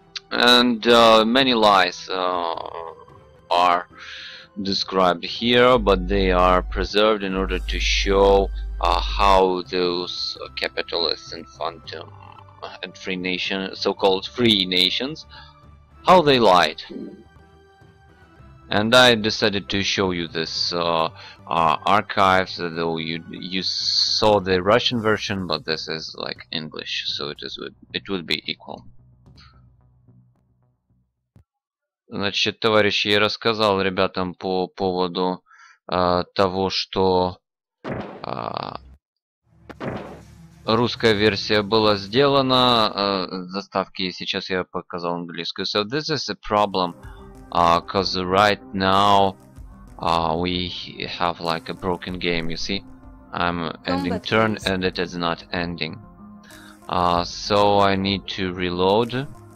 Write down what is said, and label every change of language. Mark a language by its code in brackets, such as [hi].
[en] And many lies are described here, but they are preserved in order to show how those capitalists and phantom and free nation, so-called free nations, how they lied. And I decided to show you this archives, though you saw the Russian version, but this is like English, so it would be equal. [ru] Значит, товарищ, я рассказал ребятам по поводу того, что русская версия была сделана. Заставки сейчас я показал английскую. [en] So this is a problem, because right now we have like a broken game, you see? I'm ending turn and it is not ending. So I need to reload.